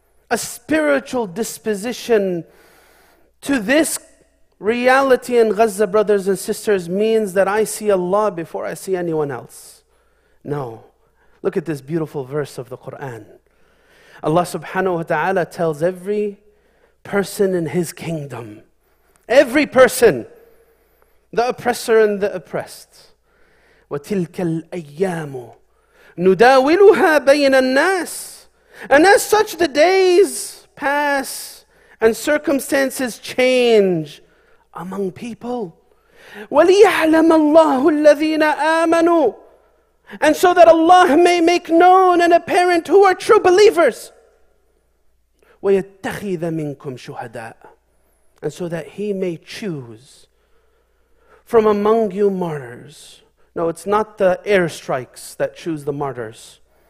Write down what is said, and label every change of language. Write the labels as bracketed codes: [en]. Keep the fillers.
[en] A spiritual disposition to this reality in Gaza, brothers and sisters, means that I see Allah before I see anyone else. No. Look at this beautiful verse of the Quran. Allah subhanahu wa ta'ala tells every person in his kingdom, every person, the oppressor and the oppressed. [ar] وتلك الأيام نداولها بين الناس. [en] And as such, the days pass and circumstances change among people. [ar] وليعلم الله الذين آمنوا. [en] And so that Allah may make known and apparent who are true believers. [ar] ويتخذ منكم شهداء. [en] And so that He may choose from among you martyrs. No, it's not the airstrikes that choose the martyrs.